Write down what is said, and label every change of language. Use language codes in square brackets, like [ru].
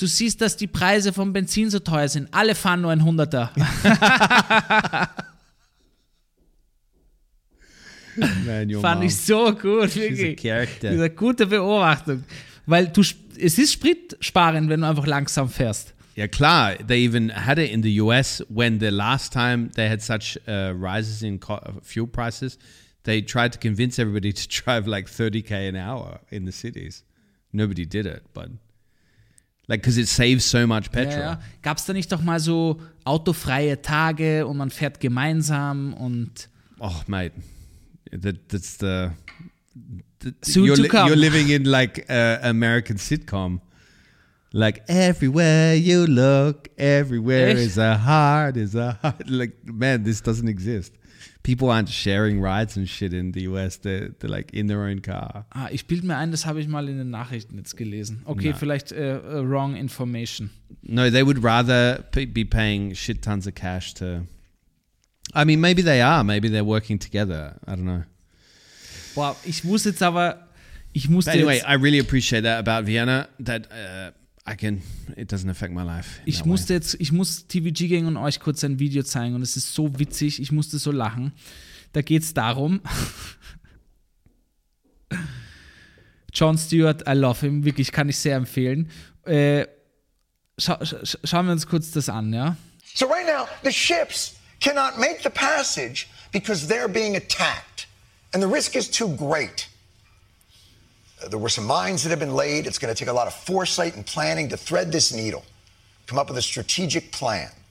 [de] Du siehst, dass die Preise vom Benzin so teuer sind. Alle fahren nur ein 100er. [en] Man, your [de] fand [en] mom. [de] Ich so gut, wirklich. Diese gute Beobachtung. Weil du, es ist spritsparend, wenn du einfach langsam fährst. Ja klar, [en] they even had it in the US when the last time they had such rises in fuel prices, they tried to convince everybody to drive like 30k an hour in the cities. Nobody did it, but like, because it saves so much petrol. [de] Ja, ja. Gab's da nicht doch mal so autofreie Tage und man fährt gemeinsam und... [en] Och, mate. You're living in like an American sitcom. Like everywhere you look, everywhere is a heart. Like, man, this doesn't exist. People aren't sharing rides and shit in the US. They're like in their own car. [de] Ah, ich bild mir ein, das habe ich mal in den Nachrichten jetzt gelesen. [en] Okay, no. [de] Vielleicht [en] wrong information. No, they would rather be paying shit tons of cash to... I mean, maybe they are. Maybe they're working together. I don't know. [de] Wow, ich muss jetzt aber, ich muss jetzt. [en] Anyway, I really appreciate that about Vienna. That I can, it doesn't affect my life. [de] Ich musste jetzt, ich muss TVG Gang und euch kurz ein Video zeigen und es ist so witzig. Ich musste so lachen. Da geht's darum. John Stewart, [en] I love him. [de] Wirklich, kann ich sehr empfehlen. Schauen wir uns kurz das an, ja? [en] So right now, the ships cannot make the passage because they're being attacked. And the risk is too great. There were some mines that have been laid. It's going to take a lot of foresight and planning to thread this needle, come up with a strategic plan.